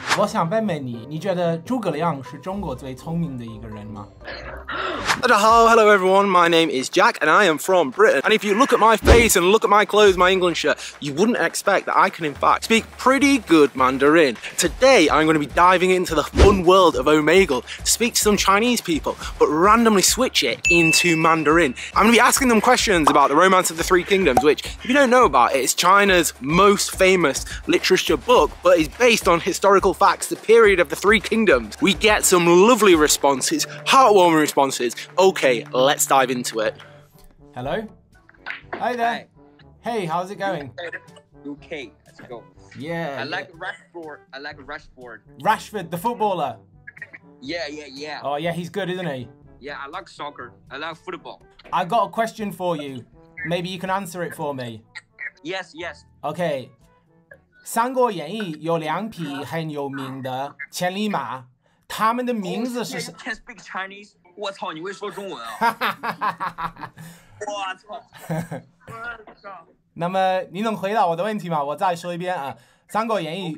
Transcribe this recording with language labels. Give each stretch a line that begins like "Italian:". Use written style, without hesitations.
Chinese: 我想问问你，你觉得诸葛亮是中国最聪明的一个人吗？大家好
English: ，Hello everyone. My name is Jack, and I am from Britain. And if you look at my face and look at my clothes, my England shirt, you wouldn't expect that I can, in fact, speak pretty good Mandarin. Today, I'm going to be diving into the fun world of Omegle, speak to some Chinese people, but randomly switch it into Mandarin. I'm going to be asking them questions about the Romance of the Three Kingdoms, which, if you don't know about it, is China's most famous literature book, but is based on historical facts, the period of the Three Kingdoms. We get some lovely responses, heartwarming responses. Okay, let's dive into it. Hello? Hi there. Hey, how's it going? Okay, let's go. Yeah. I like Rashford. Rashford, the footballer. Yeah. Oh, yeah, he's good, isn't he? Yeah, I like soccer. I like football. I got a question for you. Maybe you can answer it for me. Yes. Okay.
Chinese: 三国演义有两匹很有名的千里马，他们的名字是
English: Can't speak Chinese?
Chinese: 我操，你会说中文啊？我操！那么你能回答我的问题吗？我再说一遍啊，《三国演义》